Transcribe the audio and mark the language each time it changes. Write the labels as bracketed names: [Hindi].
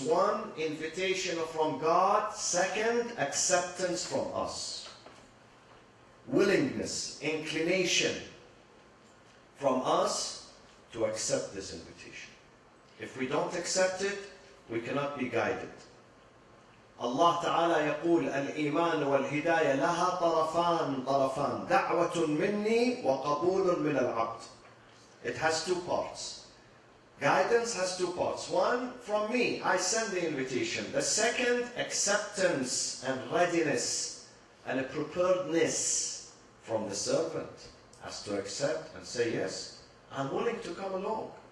[English] One, invitation from God. Second, acceptance from us. Willingness, inclination from us to accept this invitation. If we don't accept it, we cannot be guided. [Arabic] Allah Ta'ala يقول الإيمان والهداية لها طرفان طرفان دعوة مني وقبول من العبد. [English] It has two parts. Guidance has two parts. One, from me, I send the invitation. The second, acceptance and readiness and a preparedness from the servant. Has to accept and say, yes, I'm willing to come along.